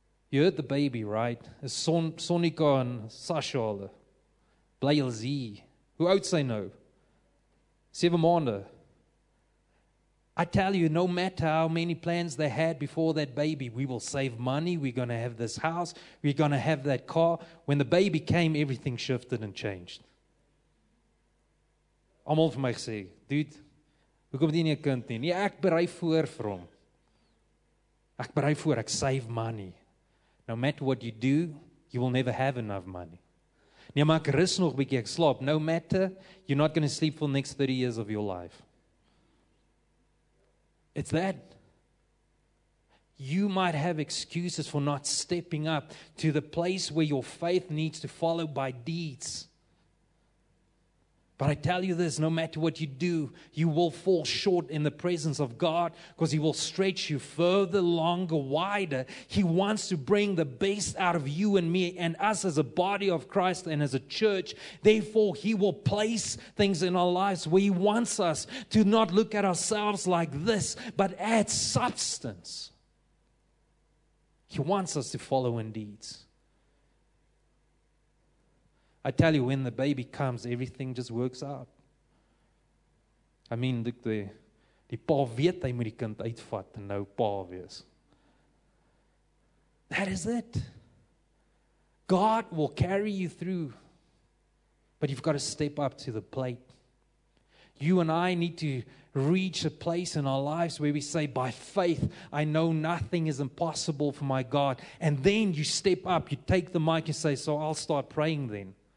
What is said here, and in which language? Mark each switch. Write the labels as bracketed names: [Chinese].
[English] You heard the baby, right? Sonika and Sasha, Blail Z. Who else I know? 7 [Dutch] maanden. [English] I tell you, no matter how many plans they had before that baby, we will save money, we're going to have this house, we're going to have that car. When the baby came, everything shifted and changed. [Afrikaans] Almal vir my gesê, dude, hoekom het jy nie 'n kind nie? Nee, ek berei voor vir hom. Ek berei voor, ek [English] save money. No matter what you do, you will never have enough money. [Afrikaans] Nee, maar ek rus nog bietjie, ek slaap. [English] No matter, you're not going to sleep for the next 30 years of your life. It's that. You might have excuses for not stepping up to the place where your faith needs to follow by deeds. But I tell you this, no matter what you do, you will fall short in the presence of God because He will stretch you further, longer, wider. He wants to bring the best out of you and me and us as a body of Christ and as a church. Therefore, He will place things in our lives where He wants us to not look at ourselves like this, but add substance. He wants us to follow in deeds. I tell you, when the baby comes, everything just works out. I mean, [Afrikaans] die pa weet hy moet die kind uitvat en nou pa wees. [English] That is it. God will carry you through, but you've got to step up to the plate. You and I need to reach a place in our lives where we say, by faith, I know nothing is impossible for my God. And then you step up, you take the mic, you say, so I'll start praying then.